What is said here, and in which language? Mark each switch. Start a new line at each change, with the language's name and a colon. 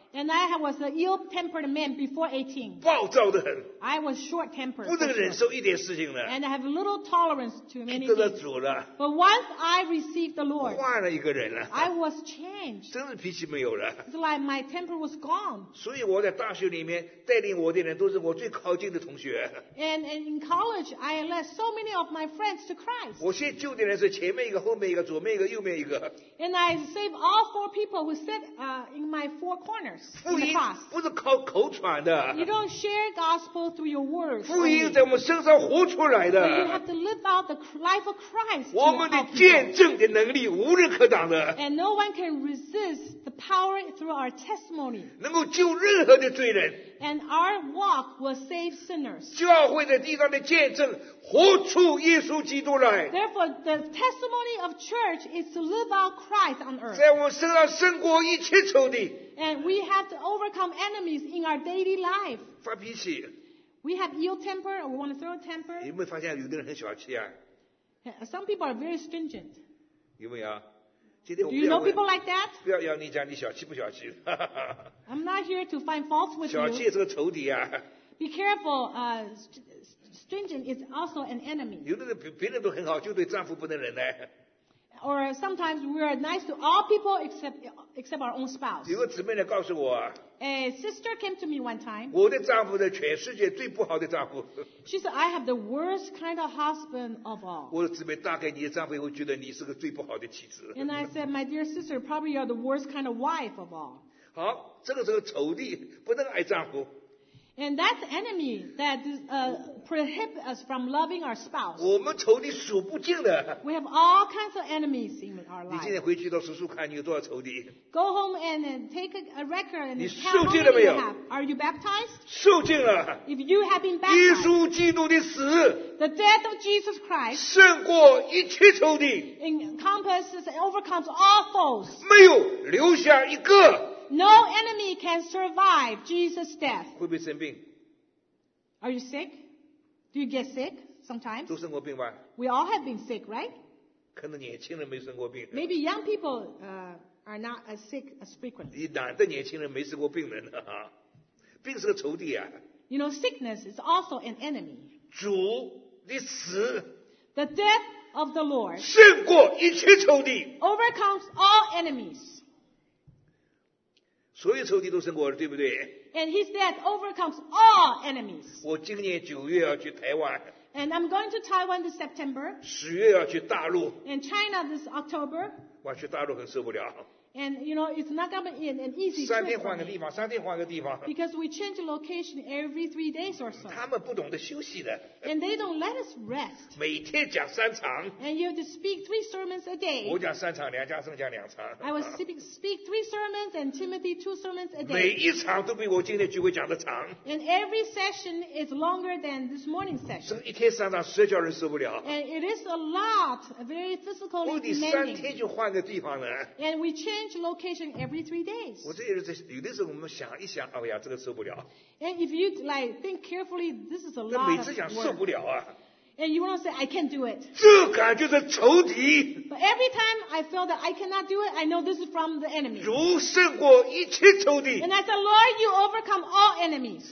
English: And I was an ill-tempered man before 18.
Chinese: 暴躁得很。
English: I was short-tempered.
Chinese: 不能忍受一点事情了。
English: And I have little tolerance to many things.
Chinese: 得了主了。
English: But once I received the Lord,
Chinese: 换了一个人了。
English: I was changed.
Chinese: 真是脾气没有了。
English: It's like my temper was gone.
Chinese: 所以我在大学里面带领我的人都是我最靠近的同学。
English: And in college, I led so many of my friends to Christ.
Chinese: 我先救的人是前面一个，后面一个，左面一个，右面一个。
English: And I saved all four people who sit in my four corners.
Chinese: 福音不是靠口传的。
English: You don't share gospel through your words.
Chinese: 福音在我们身上活出来的。
English: You have to live out the life of Christ.
Chinese: 我们的见证的能力无人可挡的。
English: And no one can resist the power through our testimony.
Chinese: 能够救任何的罪人。
English: And our walk will save sinners.
Chinese: 教会在地上的见证活出耶稣基督来。
English: Therefore, the testimony of church is to live out Christ on earth.
Chinese: 在我身上胜过一切仇敌。
English: And we have to overcome enemies in our daily life.
Chinese: 发脾气。
English: We have ill temper, or we want to throw a temper.
Chinese: 有没有发现有的人很小气啊？
English: Some people are very stringent.
Chinese: 有没有？今天我不要问。
English: Do you know people like that?
Chinese: 不要要你讲你小气不小气。
English: I'm not here to find fault with you.
Chinese: 小气是个仇敌啊。
English: Be careful, stringent is also an enemy.
Chinese: 有的人别人都很好，就对丈夫不能忍耐。
English: Or sometimes we are nice to all people except our own spouse.
Chinese: 有个姊妹来告诉我。
English: A sister came to me one time.
Chinese: 我的丈夫是全世界最不好的丈夫。
English: She said, I have the worst kind of husband of all.
Chinese: 我的姊妹大概你的丈夫会觉得你是个最不好的妻子。
English: And I said, my dear sister, probably you are the worst kind of wife of all.
Chinese: 好，这个是个仇敌，不能爱丈夫。
English: And that's the enemy that prohibits us from loving our spouse.
Chinese: 我们仇敌数不尽的。
English: We have all kinds of enemies in our life.
Chinese: 你今天回去到数数看你有多少仇敌。
English: Go home and take a record and count how many you have.
Chinese: 你受尽了没有？
English: Are you baptized?
Chinese: 受尽了。
English: If you have been baptized,
Chinese: 耶稣基督的死
English: the death of Jesus Christ
Chinese: 胜过一切仇敌
English: encompasses and overcomes all foes.
Chinese: 没有留下一个。
English: No enemy can survive Jesus' death.
Chinese: 会不会生病？
English: Are you sick? Do you get sick sometimes?
Chinese: 都生过病吧？
English: We all have been sick, right?
Chinese: 可能年轻人没生过病。
English: Maybe young people are not as sick as frequently.
Chinese: 你哪的年轻人没生过病人呢？病是个仇敌啊。
English: You know, sickness is also an enemy.
Chinese: 主的死
English: The death of the Lord
Chinese: 胜过一切仇敌
English: overcomes all enemies.
Chinese: 所有仇敌都胜过了，对不对？
English: And his death overcomes all enemies.
Chinese: 我今年九月要去台湾。
English: And I'm going to Taiwan this September.
Chinese: 十月要去大陆。
English: And China this October.
Chinese: 我去大陆很受不了。
English: And you know it's not going to be an easy trip.
Chinese: 三天换个地方，三天换个地方。
English: Because we change the location every 3 days or so.
Chinese: 他们不懂得休息的。
English: And they don't let us rest.
Chinese: 每天讲三场。
English: And you have to speak 3 sermons a day.
Chinese: 我讲三场，梁家正讲两场。
English: I will speak 3 sermons and Timothy 2 sermons a day.
Chinese: 每一场都比我今天聚会讲的长。
English: And every session is longer than this morning session.
Chinese: 这一天三场，实在叫人受不了。
English: And it is a lot, very physical and demanding.
Chinese: 我第三天就换个地方了。
English: And we change. Location every 3 days.
Chinese: 我这些有的时候我们想一想，哎呀，这个受不了。
English: And if you like think carefully, this is a lot.
Chinese: 每次想受不了啊。
English: And you want to say I can't do it.
Chinese: 这感觉是仇敌。
English: But every time I feel that I cannot do it, I know this is from the enemy.
Chinese: 主胜过一切仇敌。
English: And I said, Lord, you overcome all enemies.